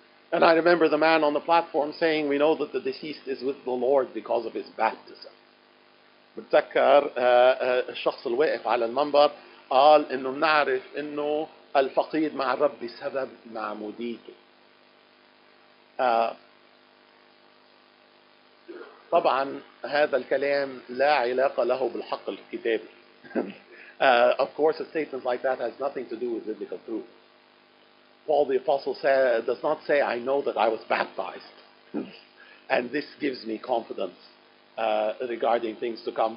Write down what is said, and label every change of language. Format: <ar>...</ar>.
<en>And I remember the man on the platform saying, we know that the deceased is with the Lord because of his baptism.</en> <ar>بتذكر الشخص الواقف على المنبر قال انه بنعرف انه الفقيد مع الرب بسبب معموديته. طبعا هذا الكلام لا علاقة له بالحق الكتابي.</ar> <en>Of course a statement like that has nothing to do with biblical truth. Paul the apostle does not say I know that I was baptized and this gives me confidence regarding things to come.</en>